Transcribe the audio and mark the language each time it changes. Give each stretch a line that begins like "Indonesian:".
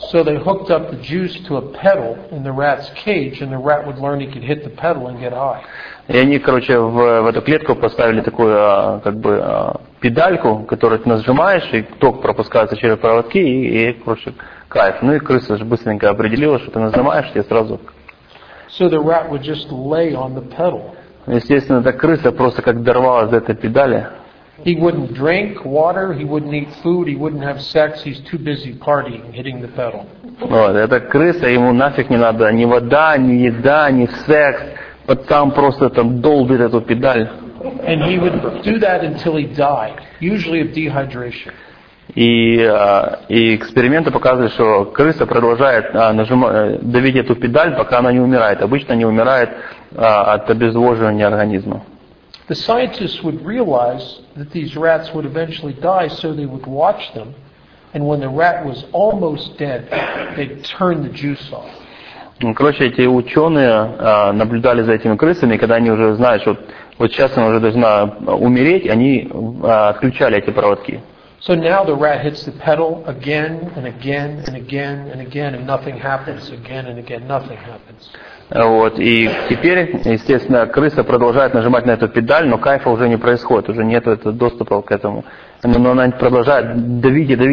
English: So they hooked up the juice to a pedal in the rat's cage, and the rat would learn he could hit the pedal and get high.
Russian: И они, короче, в эту клетку поставили такую педальку, которую ты нажимаешь, и ток пропускается через проводки, и короче, кайф. Ну и крыса же быстренько определила, что ты нажимаешь, тебе сразу.
English: So the rat would just lay on the pedal.
Russian: Естественно, эта крыса просто как дорвалась за этой педали.
English: He wouldn't drink water, he wouldn't eat food, he wouldn't have sex, he's too busy partying, hitting the pedal.
Russian: Вот, эта крыса, ему нафиг не надо ни вода, ни еда, ни секс, вот там просто там долбит эту педаль.
English: And he would do that until he died, usually of dehydration.
Russian: И эксперименты показывают, что крыса продолжает давить эту педаль, пока она не умирает. Обычно не умирает от обезвоживания организма.
English: The scientists would realize that these rats would eventually die, so they would watch them, and when the rat was almost dead, they'd turn the juice off.
Russian: Короче, эти ученые наблюдали за этими крысами, когда они уже знают, что вот сейчас она уже должна умереть, они отключали эти проводки.
English: So now the rat hits the pedal again and again and again and again, and nothing happens. Again and again, nothing happens.
Russian: Вот, и теперь, естественно, крыса продолжает нажимать на эту педаль, но кайфа уже не происходит, уже нет этого доступа к этому. Но она продолжает давить.